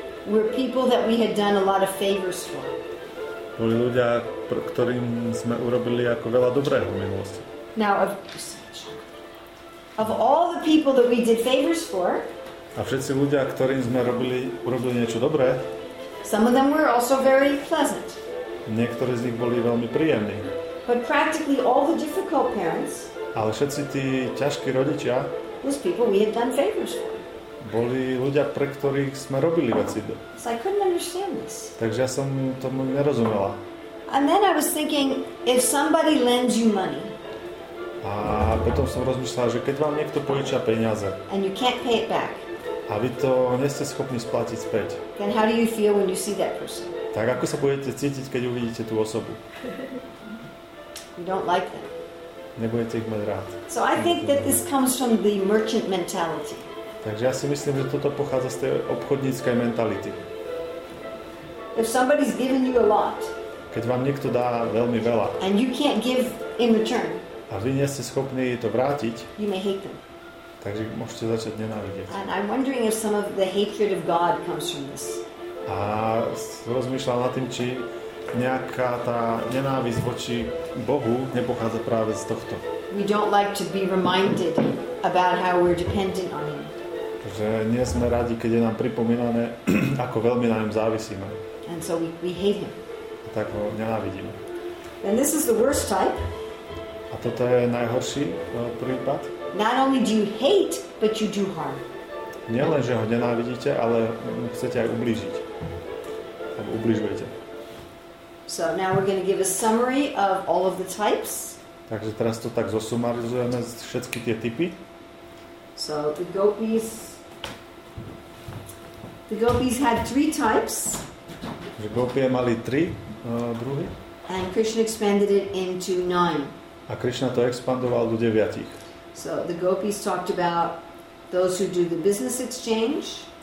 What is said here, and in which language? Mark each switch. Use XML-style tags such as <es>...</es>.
<en>Were people that we had done a lot of favors for.</en> <sk>Boli ľudia, ktorým sme urobili ako veľa dobrého v minulosti.</sk> <en>Now of all the people that we did favors for.</en> <sk>A všetci ľudia, ktorým sme urobili niečo dobré.</sk> <en>Some of them were also very pleasant.</en> <sk>Niektorí z nich boli veľmi príjemní.</sk> <en>But practically all the difficult parents.</en> <sk>Ale všetci tí ťažkí rodičia.</sk> <en>Those people we had done favors for.</en> <sk>Boli ľudia, pre ktorých sme robili veci.</sk> <en>So I couldn't understand this.</en> <sk>Takže ja som tomu nerozumela.</sk> <en>And then I was thinking, if somebody lends you money.</en> <sk>A potom som rozmýšľala, že keď vám niekto požičia peniaze.</sk> <en>And you can't pay it back.</en> <sk>A vy to nie ste schopní splatiť späť.</sk> <en>Then how do you feel when you see that person?</en> <sk>Tak ako sa budete cítiť, keď uvidíte tú osobu?</sk> <en>You don't like them.</en> <sk>Nebudete ich mať rád.</sk> <en>So I think that this comes from the merchant mentality.</en> <sk>Takže ja si myslím, že toto pochádza z tej obchodníckej mentality.</sk> <en>If somebody's given you a lot.</en> <sk>Keď vám niekto dá veľmi veľa.</sk> <en>And you can't give in return.</en> <sk>A vy nie ste schopní to vrátiť.</sk> <en>You may hate them.</en> <sk>Takže môžete začať nenávidieť.</sk> <en>And I'm wondering if some of the hatred of God comes from this.</en> <sk>A rozmýšľam nad tým, či nejaká tá nenávisť voči Bohu nepochádza práve z tohto.</sk> <en>We don't like to be reminded about how we're dependent on him.</en> <sk>Že nie sme radi, keď je nám pripomínané, ako veľmi na ňom závisíme.</sk> <en>And so we hate him.</en> <sk>A tak ho nenávidíme.</sk> <en>And this is the worst type.</en> <sk>A toto je najhorší prípad.</sk> <en>Not only do you hate, but you do harm.</en> <sk>Nielen, že ho nenávidíte, ale chcete aj ublížiť. Alebo ublížujete.</sk> <en>So now we're going to give a summary of all of the types.</en> <sk>Takže teraz to tak zosumarizujeme všetky tie typy.</sk> <en>So the gopis had three types.</en> <sk>Že gopie mali tri druhy.</sk> <en>And Krishna expanded it into nine.</en> <sk>A Krishna to expandoval do deviatich.</sk> <en>So the gopis talked about those who do the business exchange.</en>